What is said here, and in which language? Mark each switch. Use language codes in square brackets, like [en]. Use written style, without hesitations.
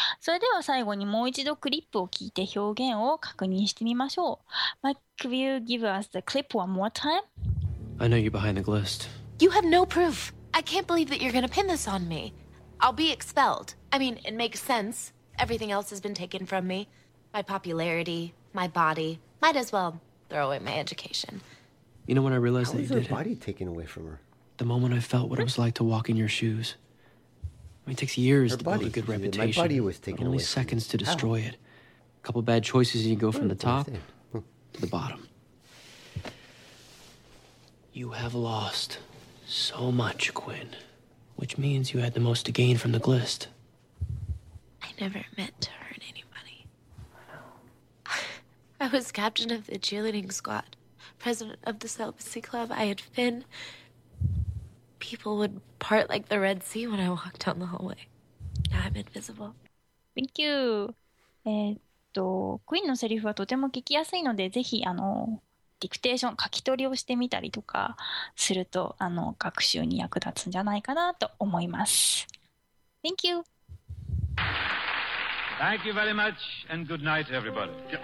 [ja] それでは最後にもう一度クリップを聞いて表現を確認してみましょう。 [en] Mike, will you give us the clip one more time? I know you're behind the glist. You have no proof. I can't believe that you're going to pin this on me. I'll be expelled. I mean, it makes sense. Everything else has been taken from me. My popularity, my body. Might as well throw away my education. You know when I realized that you did it? How was her body taken away from her? The moment I felt what it was like to walk in your shoes. I mean, it takes years to build a good reputation. My body was taken away. Only seconds to destroy it. A couple bad choices and you go from the top to the bottom. You have lost so much, Quinn. Which means you had the most to gain from the glist. I never meant to hurt anybody. I was captain of the cheerleading squad, president of the celibacy club. I had Finn... People would part like the Red Sea when I walked down the hallway. Now I'm invisible. Thank you. [ja] クイーンのセリフはとても聞きやすいので、ぜひディクテーション書き取りをしてみたりとかすると学習に役立つんじゃないかなと思います。 [en] Thank you. Thank you very much, and good night, everybody.